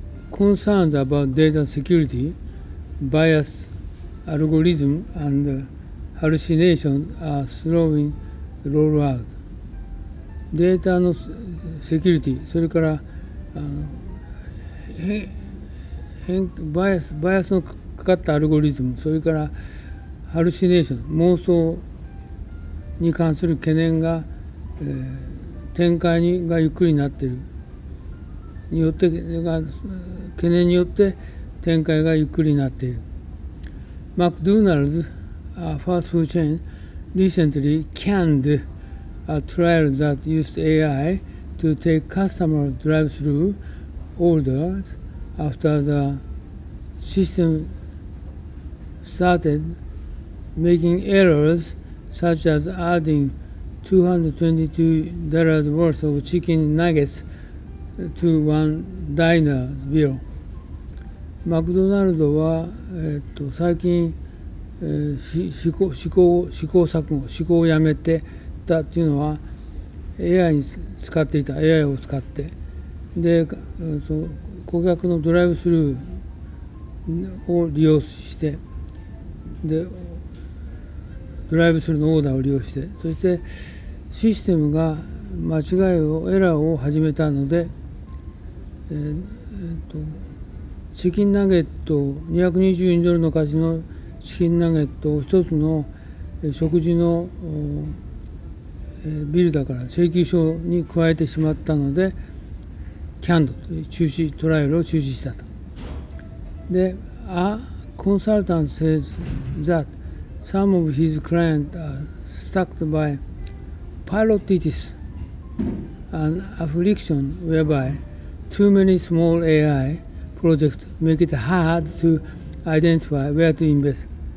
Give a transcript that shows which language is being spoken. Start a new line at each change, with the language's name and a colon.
English: concerns about data security, bias, algorithm, and hallucination are slowing the rollout.
Japanese: データのセキュリティ、それからあの変バイアスのかかったアルゴリズム、それからハルシネーション、妄想に関する懸念が、展開にがゆっくりになっているによって、懸念によって展開がゆっくりになっている。マクドナルズ、ファーストフードチェーン、
English: recently canned a trial that used AI to take customer drive-through orders after the system started making errors such as adding $222 worth of chicken nuggets to one diner's bill。
Japanese: マクドナルドは、最近、試行をやめてたっていうのは AI に使っていた、 AI を使ってで、顧客のドライブスルーを利用して、でドライブスルーのオーダーを利用して、そしてシステムが間違いをエラーを始めたので、チキンナゲット$222の価値のチキンナゲットを一つの食事のビルだから請求書に加えてしまったので、キャンドル中止、トライアルを中止したと。
English: で、A consultant says that some of his clients are struck by pilotitis, an affliction whereby too many small AI projects make it hard to identify where to invest。